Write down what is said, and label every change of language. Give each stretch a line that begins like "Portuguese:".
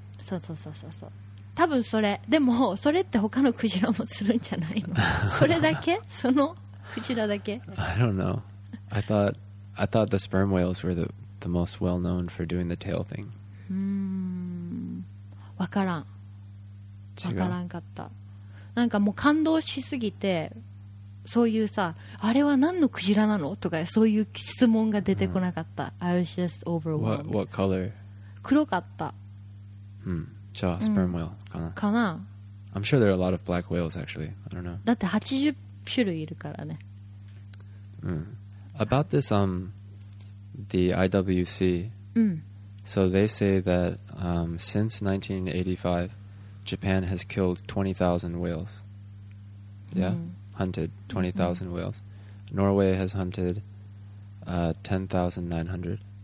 Japanese: そうそうそうそうそう。多分それ。でもそれって他のクジラもするんじゃないの？それだけ？そのクジラだけ？
English: I don't know. I thought the sperm whales were the most well known for doing the tail thing.
Japanese: わからん。わからんかった。なんかもう感動しすぎて、そういうさ、あれは何のクジラなのとか、そういう質問が出てこなかった。
English: I was just overwhelmed. What color?
Japanese: 黒かった。じゃあスペルムウェルかな、かな。
English: I'm sure there are a lot of black whales actually. I don't know.
Japanese: だって80種類いるからね。
English: About this the IWC、So they say that since 1985Japan has killed 20,000 whales. Yeah? Hunted 20,000 whales. Norway has hunted 10,900.